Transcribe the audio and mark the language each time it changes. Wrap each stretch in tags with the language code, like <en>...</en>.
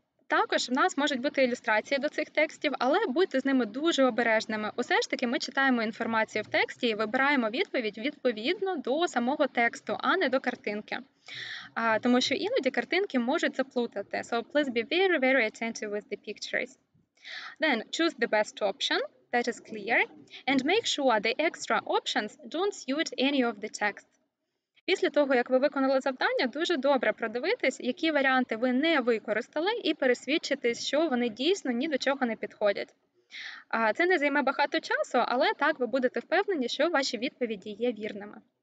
<uk>Також в нас можуть бути ілюстрації до цих текстів, але будьте з ними дуже обережними. Усе ж таки, ми читаємо інформацію в тексті і вибираємо відповідь відповідно до самого тексту, а не до картинки. Тому що іноді картинки можуть заплутати.</uk> <en>So please be very, very attentive with the pictures. Then choose the best option, that is clear, and make sure the extra options don't suit any of the text.</en> <uk>Після того, як ви виконали завдання, дуже добре продивитись, які варіанти ви не використали, і пересвідчитись, що вони дійсно ні до чого не підходять. Це не займе багато часу, але так ви будете впевнені, що ваші відповіді є вірними.</uk>